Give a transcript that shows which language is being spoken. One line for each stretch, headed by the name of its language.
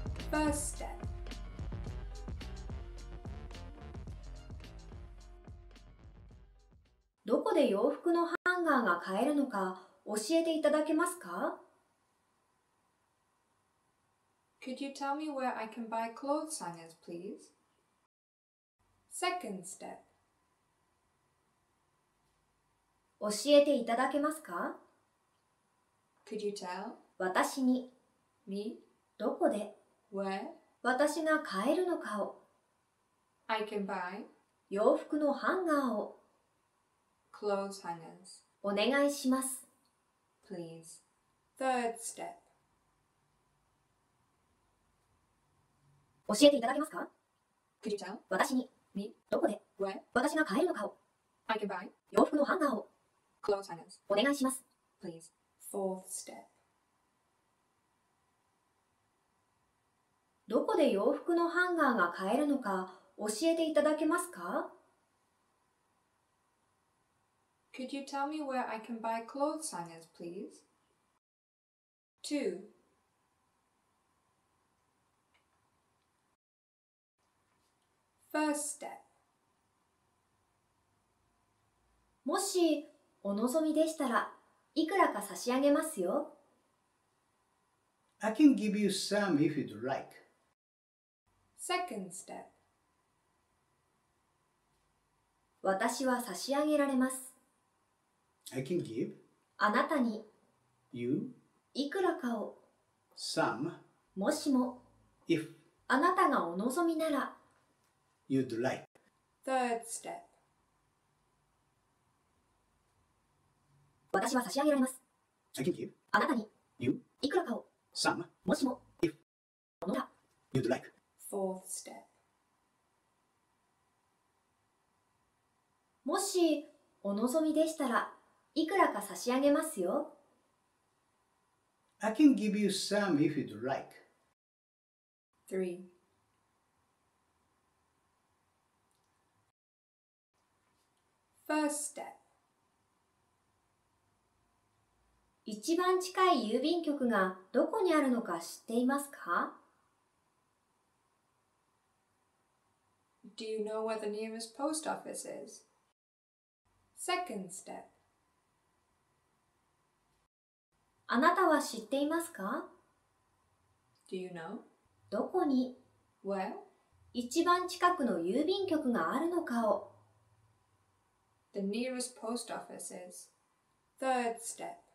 English: First step.
Japanese: どこで洋服のハンガーが買えるのか教えていただけますか?
English: Could you tell me where I can buy clothes hangers, please? Second step.
Japanese: 教えていただけますか?
English: Could you tell?
Japanese: 私に
English: Me?
Japanese: どこで
English: Where?
Japanese: 私が買えるのかを
English: I can buy
Japanese: 洋服のハンガーを
English: Clothes hangers
Japanese: お願いします
English: Please. Third step.
Japanese: 教えていただけますか?
English: Could you tell?
Japanese: 私に
English: Me?
Japanese: どこで
English: Where?
Japanese: 私が買えるのかを
English: I can buy
Japanese: 洋服のハンガーを
English: Clothes hangers.
Japanese: お願いします
English: Please. Fourth step.
Japanese: どこで洋服のハンガーが買えるのか教えていただけますか?
English: Could you tell me where I can buy clothes hangers, please? 2. First step.
Japanese: もしお望みでしたら、いくらか差し上げますよ。
English: I can give you some if you'd like. Second step.
Japanese: 私は差し上げられます。
English: I can give
Japanese: あなたに
English: you
Japanese: いくらかを
English: some
Japanese: もしも
English: if
Japanese: あなたがお望みなら
English: you'd like third step
Japanese: 私は差し上げられます
English: I can give
Japanese: あなたに
English: you
Japanese: いくらかを
English: some
Japanese: もしも
English: if
Japanese: あなた
English: you'd like fourth step
Japanese: もしお望みでしたらいくらか差し上げますよ。
English: I can give you some if you'd like. 3. First step.
Japanese: 一番近い郵便局がどこにあるのか知っていますか?
English: Do you know where the nearest post office is? Second step.
Japanese: あなたは知っていますか?
English: Do you know?
Japanese: どこに
English: Where?
Japanese: 一番近くの郵便局があるのかを
English: The nearest post office is Third step